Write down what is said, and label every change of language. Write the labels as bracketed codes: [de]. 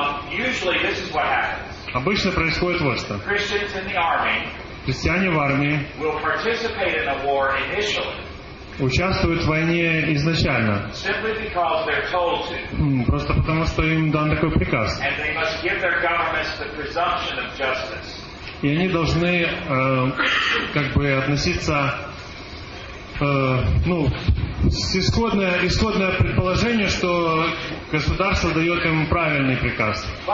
[en] usually this is what happens. [ru] Обычно происходит вот что. [en] Christians in the army [ru] христиане в армии [en] will participate in the war initially. [ru] Участвуют в войне изначально. [en] Simply because they're told to. [ru] Просто потому, что им дан такой приказ. [en] And they must give their governments the presumption of justice. [ru] И они должны как бы относиться... исходное предположение, что государство дает им правильный приказ.